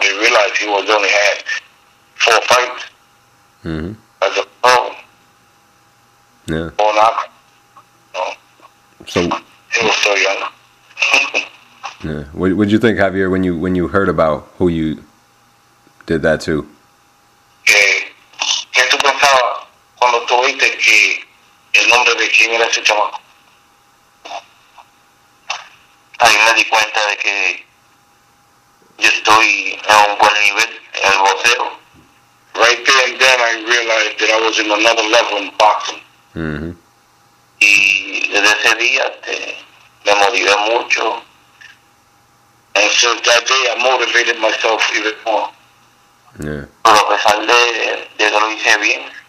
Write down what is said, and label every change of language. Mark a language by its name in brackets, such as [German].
[English] They realized he was only had 4 fights as a pro. Yeah. 4 knockouts. You know, he was so young. Yeah. What did you think, Javier, when you heard about who you did that to? [Spanish] ¿Qué tú pensabas cuando tú viste que el nombre de quién era ese chamaco? Ahí me di cuenta de que yo estoy a un buen nivel en el boxeo. [English] Right there and then I realized that I was in another level in boxing. Mm-hmm. [Spanish] Y desde ese día me motivé mucho. [English] And so that day, I motivated myself even more. Yeah. [Spanish] Pero a pesar de que lo hice bien.